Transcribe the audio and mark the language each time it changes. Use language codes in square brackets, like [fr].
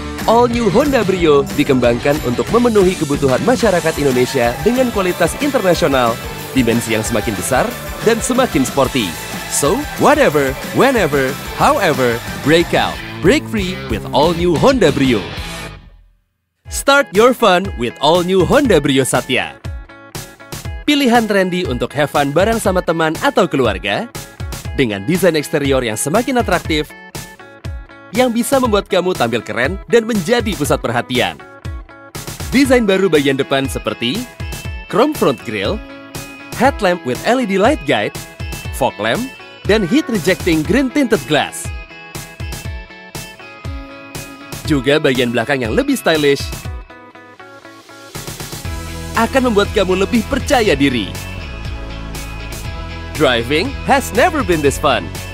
[id] All New Honda Brio dikembangkan untuk memenuhi kebutuhan masyarakat Indonesia dengan kualitas internasional, dimensi yang semakin besar, dan semakin sporty. [en] So, whatever, whenever, however, break out. Break free with All New Honda Brio. Start your fun with All New Honda Brio Satya. [id] Pilihan trendy untuk [en] have fun [id] bareng sama teman atau keluarga, dengan desain eksterior yang semakin atraktif, yang bisa membuat kamu tampil keren dan menjadi pusat perhatian. Desain baru bagian depan seperti [en] chrome front grille, headlamp with LED light guide, fog lamp, [id] dan [en] heat rejecting green tinted glass. [id] Juga bagian belakang yang lebih stylish akan membuat kamu lebih percaya diri. [en] Driving has never been this fun.